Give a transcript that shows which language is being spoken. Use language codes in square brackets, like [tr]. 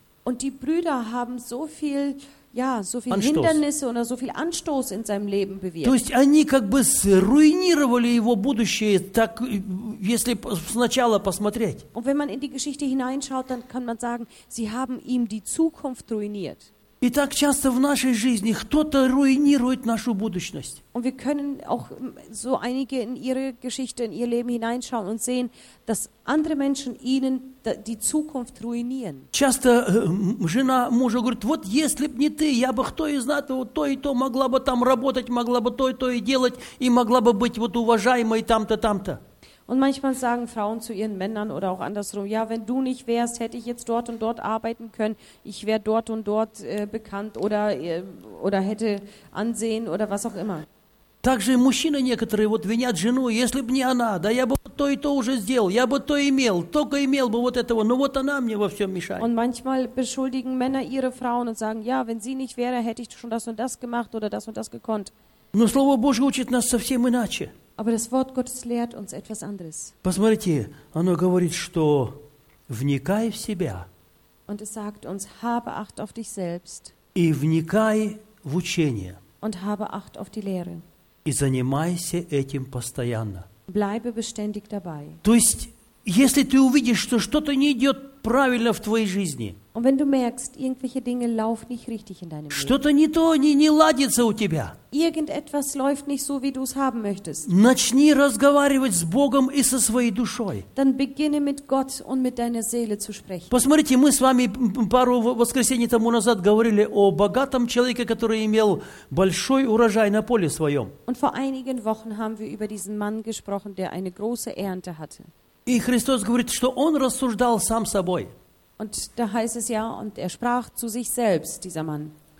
[de] Und die Brüder haben so viel, ja, so viel Anstoß. Hindernisse oder so viel Anstoß in seinem Leben bewirkt. [ru] То есть они как бы руинировали его будущее, так, если сначала посмотреть. [de] Und wenn man in die Geschichte hineinschaut, dann kann man sagen, sie haben ihm die Zukunft ruiniert. [ru] И так часто в нашей жизни кто-то руинирует нашу будущность. [de] Und wir können auch so einige in ihre Geschichte, in ihr Leben hineinschauen und sehen, dass andere Menschen ihnen die Zukunft ruinieren. [ru] Часто жена мужа говорит, вот если б не ты, я бы кто и знает, вот то и то могла бы там работать, могла бы то и делать, и могла бы быть вот уважаемой там-то, там-то. [de] Und manchmal sagen Frauen zu ihren Männern oder auch andersrum, ja, wenn du nicht wärst, hätte ich jetzt dort und dort arbeiten können, ich wäre dort und dort bekannt oder hätte Ansehen oder was auch immer. [ru] Также мужчины некоторые вот винят жену, если б не она, да я бы то и то уже сделал, я бы то имел, только имел бы вот этого, но вот она мне во всем мешает. [de] Und manchmal beschuldigen Männer ihre Frauen und sagen, ja, wenn sie nicht wäre, hätte ich schon das und das gemacht oder das und das gekonnt. [ru] Но Слово Божье учит нас совсем иначе. [de] Aber das Wort Gottes lehrt uns etwas anderes. [ru] Посмотрите, оно говорит, что вникай в себя. [de] Und es sagt uns, habe Acht auf dich selbst. [ru] И вникай в учение. [de] Und habe Acht auf die Lehre. [ru] И занимайся этим постоянно. [de] Bleibe beständig dabei. [ru] То есть, если ты увидишь, что что-то не идет правильно в твоей жизни. [de] Und wenn du merkst, irgendwelche Dinge laufen nicht richtig in deinem Leben. [ru] Что-то не то, не ладится у тебя. [de] Irgendetwas läuft nicht so, wie du es haben möchtest. [ru] Начни разговаривать с Богом и со своей душой. [de] Dann beginne mit Gott und mit deiner Seele zu sprechen. [ru] Посмотрите, мы с вами пару воскресений тому назад говорили о богатом человеке, который имел большой урожай на поле своем. [de] Und vor einigen Wochen haben wir über diesen Mann gesprochen, der eine große Ernte hatte. [ru] И Христос говорит, что он рассуждал сам собой. [de] Und da heißt es ja, und er sprach zu sich selbst, dieser Mann.